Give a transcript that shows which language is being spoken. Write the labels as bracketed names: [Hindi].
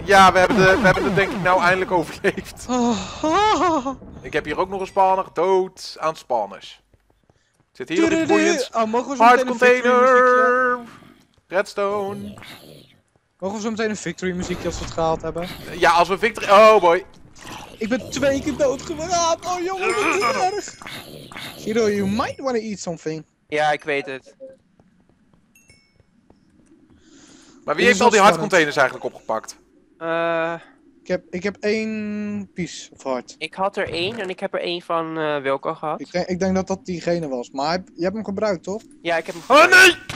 [Dutch] Ja, we hebben het denk ik nou eindelijk overleefd. Ik heb hier ook nog een spanner, dood aan spanners. Zit hier op het boeiend. Oh, mogen we zo hard container! Redstone. Mogen we zo meteen een victory muziekje als we het gehaald hebben? Ja, als we victory... Oh boy. Ik ben 2 keer dood geraakt. Oh jongen, wat is erg. [English] Hero, you might want to eat something. [Dutch] Ja, ik weet het. Maar wie heeft al die hard containers eigenlijk opgepakt? Ik heb 1 [English] piece of hard. [Dutch] Ik had er 1 en ik heb er 1 van Wilco gehad. Ik denk dat diegene was, maar je hebt hem gebruikt, toch? Ja, ik heb hem gebruikt. Oh nee!